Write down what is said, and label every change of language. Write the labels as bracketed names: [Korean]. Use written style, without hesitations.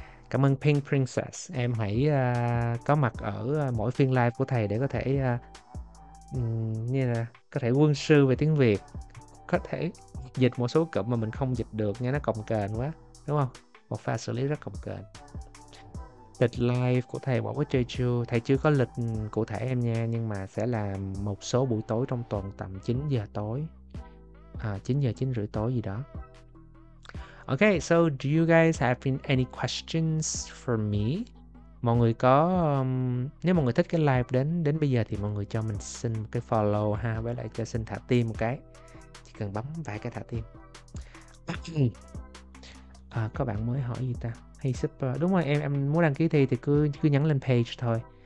[Vietnamese] Cảm ơn Pink Princess. Em hãy có mặt ở mỗi phiên live của thầy để có thể như là có thể quân sư về tiếng Việt, có thể dịch một số cụm mà mình không dịch được, nghe nó cồng kềnh quá đúng không? Một pha xử lý rất cồng kềnh. Lịch live của thầy bỏ có chơi chưa? Thầy chưa có lịch cụ thể em nha, nhưng mà sẽ là một số buổi tối trong tuần tầm 9 giờ tối. À, 9 giờ 9 rưỡi tối gì đó. [English] Okay, so do you guys have any questions for me? [Vietnamese] Mọi người có nếu mọi người thích cái live đến đến bây giờ thì mọi người cho mình xin một cái follow ha, với lại cho xin thả tim một cái. Chỉ cần bấm vài cái thả tim. À, có bạn mới hỏi gì ta? [English] Hey super, [Vietnamese] đúng rồi, em muốn đăng ký thi thì cứ nhắn lên page thôi.